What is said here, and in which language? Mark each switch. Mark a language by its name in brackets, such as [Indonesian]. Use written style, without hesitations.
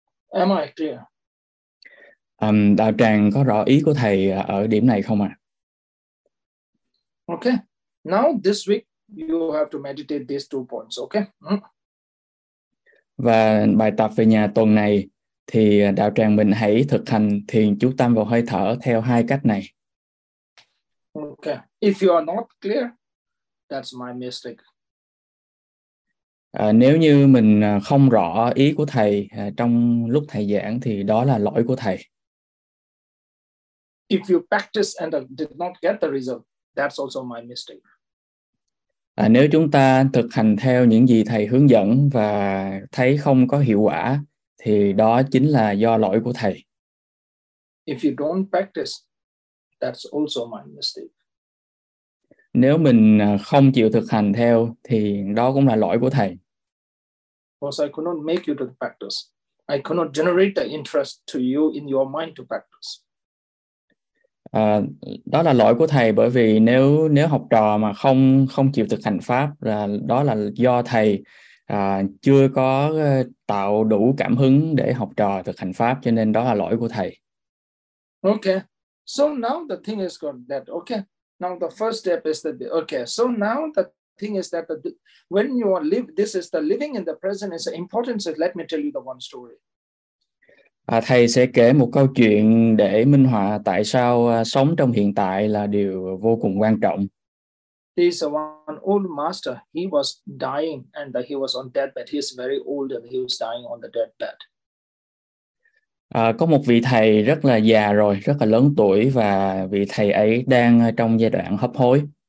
[English] Am I clear? [Vietnamese] Đạo tràng có rõ ý của thầy ở điểm này không ạ? [English] Okay. Now this week you have to meditate these two points, okay? [Vietnamese] Và bài tập về nhà tuần này thì đạo tràng mình hãy thực hành thiền chú tâm vào hơi thở theo hai cách này. [English] Okay. If you are not clear, that's my mistake. [Vietnamese] Nếu như mình không rõ ý của thầy trong lúc thầy giảng thì đó là lỗi của thầy. [English] If you practice and did not get the result, that's also my mistake. [Vietnamese] Nếu chúng ta thực hành theo những gì thầy hướng dẫn và thấy không có hiệu quả thì đó chính là do lỗi của thầy. [English] If you don't practice, that's also my mistake. [Vietnamese] Nếu mình không chịu thực hành theo thì đó cũng là lỗi của thầy. [English] Because I cannot make you to practice. I cannot generate the interest to you in your mind to practice. [Vietnamese] Đó là lỗi của thầy, bởi vì nếu học trò mà không chịu thực hành pháp là đó là do thầy chưa có tạo đủ cảm hứng để học trò thực hành pháp, cho nên đó là lỗi của thầy. [English] Okay. So now the thing is got that. Okay. Now the first step is that okay. So now the thing is that when you are live, this is the living in the present is important. So let me tell you the one story. [Vietnamese] Thầy sẽ kể một câu chuyện để minh họa tại sao sống trong hiện tại là điều vô cùng quan trọng. [English] There is one old master. He was dying and he was on deathbed. He is very old and he was dying on the deathbed. [Vietnamese] Có một vị thầy rất là già rồi, rất là lớn tuổi và vị thầy ấy đang trong giai đoạn hấp hối.